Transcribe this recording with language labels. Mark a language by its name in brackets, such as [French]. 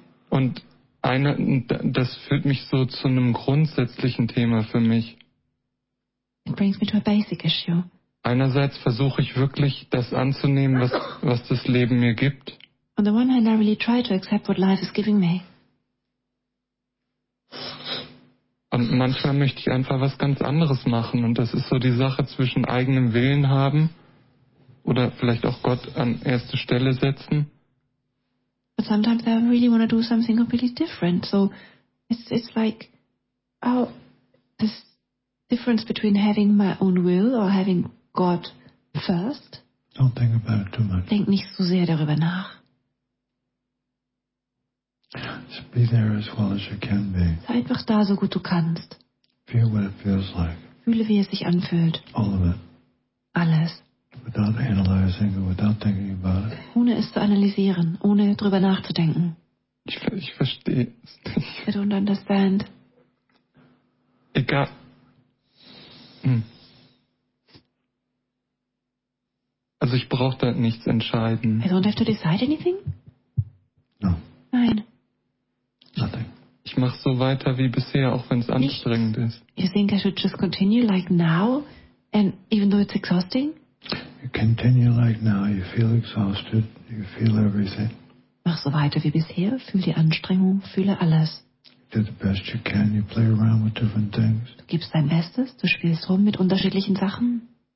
[German] Und das führt mich so zu einem grundsätzlichen Thema für mich. [English] It brings me to a basic issue. [German] Einerseits versuche ich wirklich das anzunehmen, was das Leben mir gibt. [English] On the one hand, I really try to accept what life is giving me. [German] Und manchmal möchte ich einfach was ganz anderes machen. Und das ist so die Sache zwischen eigenem Willen haben oder vielleicht auch Gott an erste Stelle setzen. [English] But sometimes I really want to do something completely different. So it's like, oh, this difference between having my own will or having God first. Don't think about it too much. [German] Denk nicht so sehr darüber nach. [English] So be there as well as you can be. [German] Sei einfach da, so gut du kannst. [English] Feel what it feels like. [German] Fühle, wie es sich anfühlt. [English] All of it. [German] Alles. [English] Without analyzing or without thinking about it. [German] Ohne es zu analysieren, ohne drüber nachzudenken. Ich verstehe es nicht. [English] I don't understand. [German] Egal. Also ich brauche da nichts entscheiden. [English] I don't have to decide anything? No. [German] Nein. [English] Nothing. [German] Ich mache so weiter wie bisher, auch wenn es anstrengend ist. [English] You think I should just continue like now, and even though it's exhausting? You continue like now, you feel exhausted, you feel everything. [German] Mach so weiter wie bisher, fühle die Anstrengung, fühle alles. [English] Do the best you can, you play around with different things. [German] Du gibst dein Bestes, du spielst rum mit unterschiedlichen Sachen.